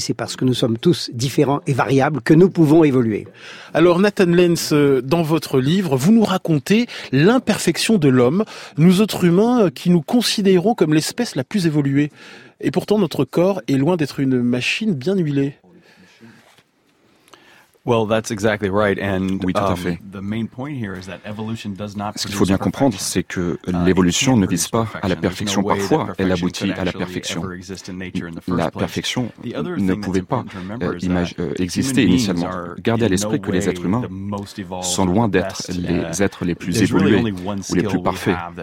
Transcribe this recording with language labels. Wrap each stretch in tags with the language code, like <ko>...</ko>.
<fr>C'est parce que nous sommes tous différents et variables que nous pouvons évoluer. Alors, Nathan Lenz, dans votre livre, vous nous racontez l'imperfection de l'homme, nous autres humains qui nous considérons comme l'espèce la plus évoluée. Et pourtant, notre corps est loin d'être une machine bien huilée.</fr> <en>Well, that's exactly right. And,</en> <fr>oui, tout à fait.</fr> <en>The main point here is that evolution does not</en> <fr>Ce qu'il faut bien comprendre, c'est que l'évolution ne vise pas à la perfection. Parfois, elle aboutit à la perfection. La perfection ne pouvait pas exister initialement. Gardez à l'esprit que les êtres humains sont loin d'être les êtres les plus évolués ou les plus parfaits.</fr>